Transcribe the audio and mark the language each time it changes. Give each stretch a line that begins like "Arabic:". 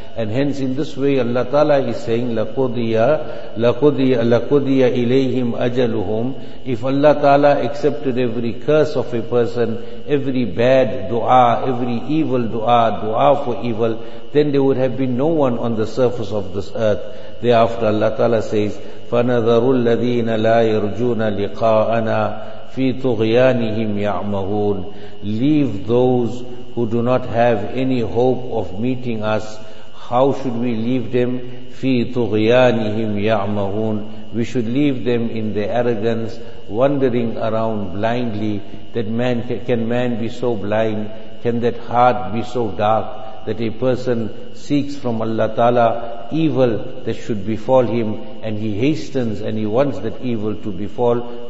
English: And hence in this way Allah Ta'ala is saying,
Arabic: لَقُضِيَ إِلَيْهِمْ أَجَلُهُمْ.
English: If Allah Ta'ala accepted every curse of a person, every bad dua, every evil dua, dua for evil, then there would have been no one on the surface of this earth. Thereafter Allah Ta'ala says,
Arabic: فَنَذَرُ الَّذِينَ لَا يَرْجُونَ لِقَاءَنَا فِي طُغْيَانِهِمْ يَعْمَهُونَ.
English: Leave those who do not have any hope of meeting us. How should we leave them?
Arabic: فِي طُغْيَانِهِمْ يَعْمَهُونَ.
English: We should leave them in their arrogance, wandering around blindly. That man, can man be so blind? Can that heart be so dark that a person seeks from Allah Ta'ala evil that should befall him, and he hastens and he wants that evil to befall?